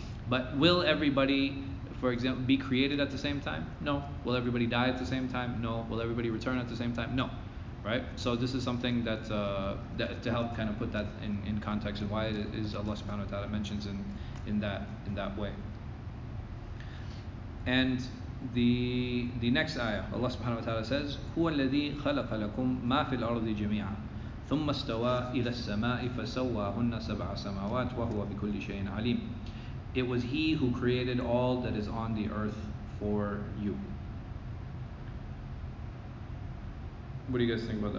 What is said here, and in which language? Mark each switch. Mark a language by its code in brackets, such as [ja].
[en] But will everybody, for example, be created at the same time? No. Will everybody die at the same time? No. Will everybody return at the same time? No. Right? So this is something that, that to help kind of put that in context of why it is Allah subhanahu wa ta'ala mentions in that way. And the next ayah, Allah subhanahu wa ta'ala says, [ar] هُوَ الَّذِي خَلَقَ لَكُمْ مَا فِي الْأَرْضِ جَمِيعًا ثُمَّ اسْتَوَى إِلَى السَّمَاءِ فَسَوَّاهُنَّ سَبْعَ سَمَاوَاتٍ وَهُوَ بِكُلِّ شَيْءٍ عَلِيمٌ. [en] It was he who created all that is on the earth for you. What do you guys think about that?